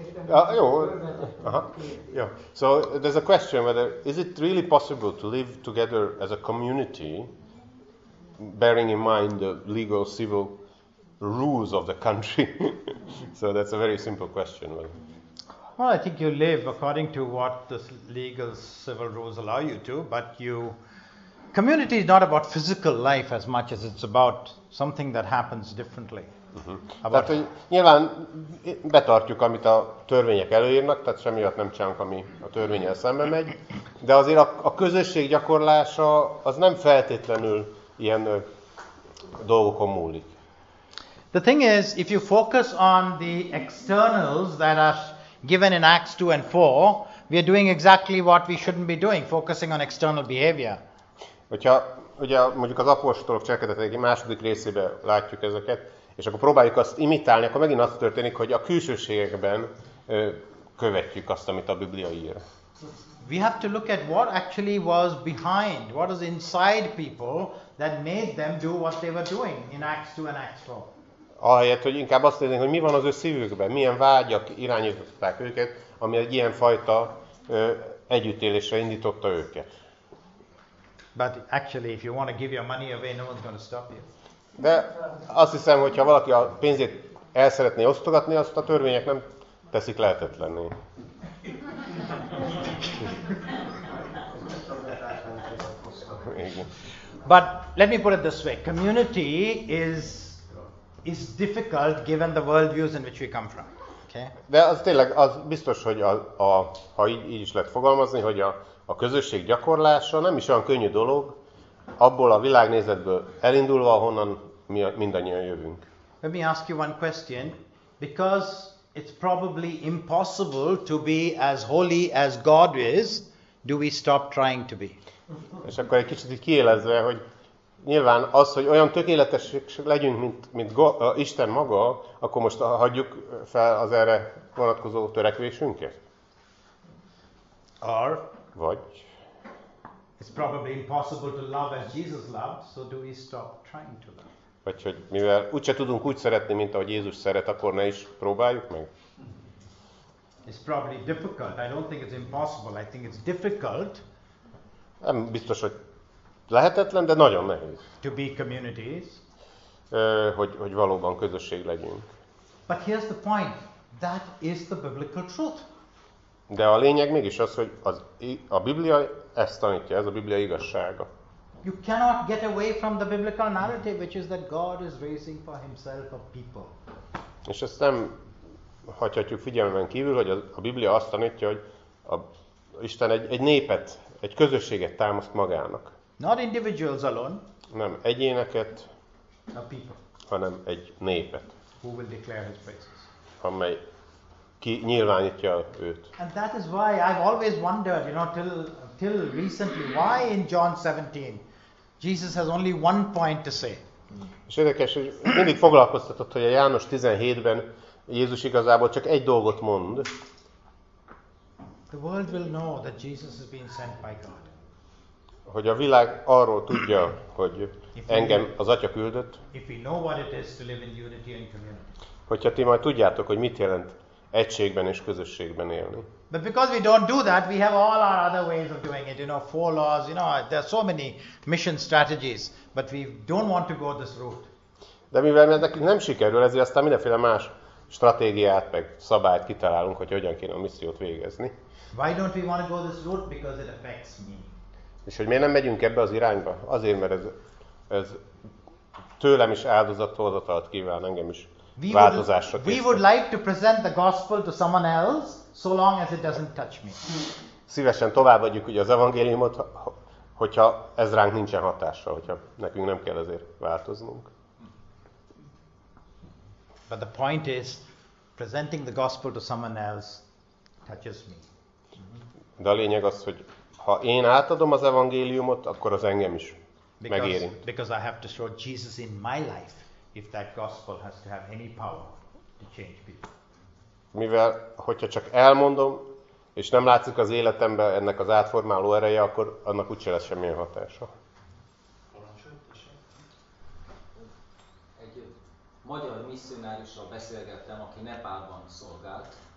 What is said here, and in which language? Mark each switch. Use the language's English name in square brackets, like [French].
[English] So there's a question: whether is it really possible to live together as a community, bearing in mind the legal, civil rules of the country? So that's a very simple question. Well, I think you live according to what the legal, civil rules allow you to. But you, community is not about physical life as much as it's about something that happens differently. Uh-huh. [Hungarian] Tehát, hogy nyilván betartjuk, amit a törvények előírnak, tehát semmiatt nem csinálunk, ami a törvénnyel szembe megy, de azért a közösség gyakorlása az nem feltétlenül ilyen dolgokon múlik. [English] The thing is, if you focus on the externals that are given in Acts 2 and 4, we are doing exactly what we shouldn't be doing, focusing on external behavior. [Hungarian] Hogyha ugye mondjuk az apostolok cselekedetei második részében látjuk ezeket, és akkor próbáljuk azt imitálni, akkor megint az történik, hogy a külsőségekben követjük azt, amit a Biblia ír. [English] We have to look at what actually was behind, what was inside people that made them do what they were doing in Acts 2 and Acts 4. [Hungarian] Ahelyett, hogy inkább azt nézni, hogy mi van az ő szívükben, milyen vágyak irányították őket, ami egy ilyen fajta együttélésre indította őket. [English] But actually, if you want to give your money away, no one's going to stop you. [Hungarian] De azt hiszem, hogy ha valaki a pénzét el szeretné osztogatni, azt a törvények nem teszik lehetetlenné. [English] But let me put it this way. Community is difficult given the world views in which we come from. Okay? [Hungarian] De az tényleg az biztos, hogy ha így is lehet fogalmazni, hogy a közösség gyakorlása nem is olyan könnyű dolog, abból a világnézetből elindulva, ahonnan mi mindannyian jövünk. [English] Let me ask you one question, because it's probably impossible to be as holy as God is, do we stop trying to be? [Hungarian] És akkor egy kicsit kiélezve, hogy nyilván az, hogy olyan tökéletesek legyünk, mint Isten maga, akkor most hagyjuk fel az erre vonatkozó törekvésünket? [English] Or? [Hungarian] Vagy? [English] It's probably impossible to love as Jesus loved, so do we stop trying to love? [Hungarian] Vagy hogy mivel úgyse tudunk úgy szeretni, mint ahogy Jézus szeret, akkor ne is próbáljuk meg? [English] It's probably difficult. I don't think it's impossible. I think it's difficult. [Hungarian] Nem biztos, hogy lehetetlen, de nagyon nehéz. [English] To be communities. [Hungarian] Hogy valóban közösség legyünk. [English] But here's the point. That is the biblical truth. [Hungarian] De a lényeg mégis az, hogy a Biblia ezt tanítja, ez a Biblia igazsága. [English] You cannot get away from the biblical narrative, which is that God is raising for himself a people. [Hungarian] És ezt nem hagyhatjuk figyelmen kívül, hogy a Biblia azt tanítja, hogy Isten egy népet, egy közösséget támaszt magának. [English] Not individuals alone. [Hungarian] Nem egyéneket. [English] A people. [Hungarian] Hanem egy népet. [English] Who will declare his praises? [Hungarian] Amely ki nyilvánítja őt. [English] And that is why I've always wondered, you know, till recently, why in John 17 Jesus has only one point to say. [Hungarian] És érdekes, hogy mindig foglalkoztatott, hogy a János 17-ben Jézus igazából csak egy dolgot mond. [English] The world will know that Jesus has been sent by God. [Hungarian] Hogy a világ arról tudja, hogy engem az Atya küldött. [English] If we know what it is to live in unity and community. [Hungarian] Hogyha ti majd tudjátok, hogy mit jelent egységben és közösségben élni. [English] But because we don't do that, we have all our other ways of doing it. You know, four laws, you know, there are so many mission strategies. But we don't want to go this route. [Hungarian] De mivel nekünk nem sikerül, ezért aztán mindenféle más stratégiát, meg szabályt kitalálunk, hogy hogyan kéne a missziót végezni. [English] Why don't we want to go this route? Because it affects me. [Hungarian] És hogy miért nem megyünk ebbe az irányba? Azért, mert ez tőlem is áldozathozatalt kíván, engem is. [English] We would like to present the gospel to someone else, so long as it doesn't touch me. [Hungarian] Szívesen továbbadjuk ugye az evangéliumot, hogyha ez ránk nincsen hatással, hogyha nekünk nem kell ezért változnunk. [English] But the point is, presenting the gospel to someone else touches me. [Hungarian] De a lényeg az, hogy ha én átadom az evangéliumot, akkor az engem is megérint. [English] Because I have to show Jesus in my life. If that gospel has to have any power to change people. [Hungarian] Mivel, hogyha csak elmondom, és nem látszik az életemben ennek az átformáló ereje, akkor annak úgyse lesz semmilyen hatása. Egy magyar misszionárissal beszélgettem, aki Nepálban szolgált.